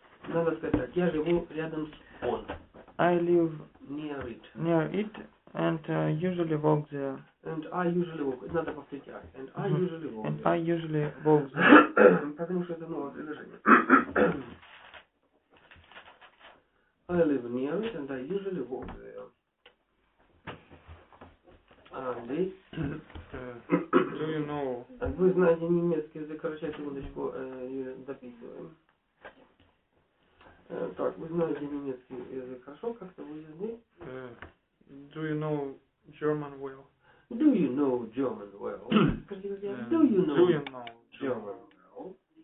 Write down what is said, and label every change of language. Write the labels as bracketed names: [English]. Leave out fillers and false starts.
[Russian] Надо сказать так, я живу рядом с он. [English] I live near it. Near it and usually walk there. And I usually walk. [Russian] Надо повторить. [English] And I usually walk. And there. I usually walk there. [Russian] Потому что это новое предложение. [English] I live near it and I usually walk there. Do you know? [Russian] Вы знаете немецкий язык, короче, секундочку записываем. Так, вы знаете немецкий язык хорошо, как-то вы знаете? [English] Do you know German well? Do you know German well? Do you know German well?